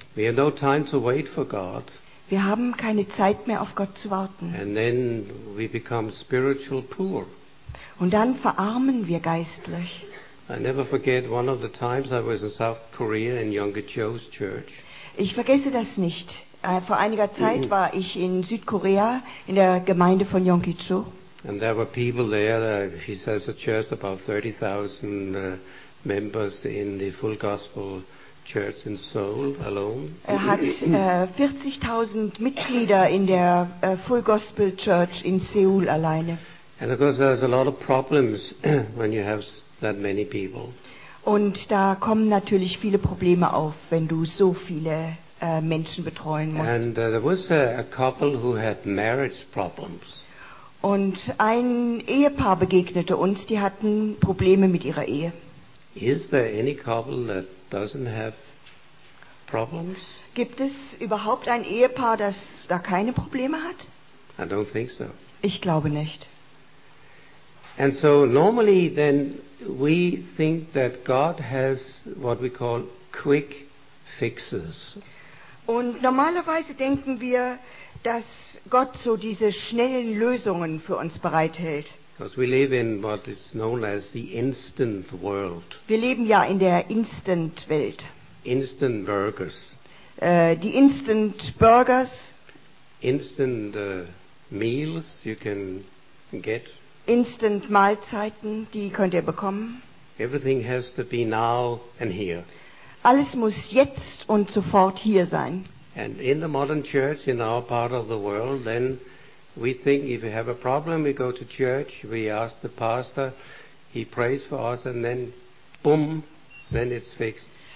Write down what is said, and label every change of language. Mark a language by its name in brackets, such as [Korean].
[English] We have no time to wait for God. [German] Wir haben keine Zeit mehr, auf Gott zu warten. [English] And then we become spiritual poor. [German] Und dann verarmen wir geistlich. [English] I never forget one of the times I was in South Korea in Younger Joe's church. [German] Ich vergesse das nicht. Vor einiger Zeit war ich in Südkorea in der Gemeinde von Yonggi-cho. [English] And there were people there. He says a church about 30,000 members in the full gospel church in Seoul alone. [German] Er hat 40,000 Mitglieder in der full gospel church in Seoul alleine. [English] And of course, there's a lot of problems when you have that many people. [German] Und da kommen natürlich viele Probleme auf, wenn du so viele Menschen betreuen musst. [English] And there was a couple who had marriage problems. [German] Und ein Ehepaar begegnete uns, die hatten Probleme mit ihrer Ehe. [English] Is there any couple that doesn't have problems? [German] Gibt es überhaupt ein Ehepaar, das da keine Probleme hat? [English] I don't think so. [German] Ich glaube nicht. [English] And so normally then we think that God has what we call quick fixes. [German] Und normalerweise denken wir, dass Gott so diese schnellen Lösungen für uns bereithält. [English] Because we live in what is known as the instant world. [German] Wir leben ja in der Instant Welt. [English] Instant burgers. [German] Die Instant Burgers. [English] Instant meals you can get. [German] Instant Mahlzeiten, die könnt ihr bekommen. [English] Everything has to be now and here. [German] Alles muss jetzt und sofort hier sein. [English] And in the modern church, in our part of the world, then we think if we have a problem, we go to church, we ask the pastor, he prays for us, and then boom, then it's fixed.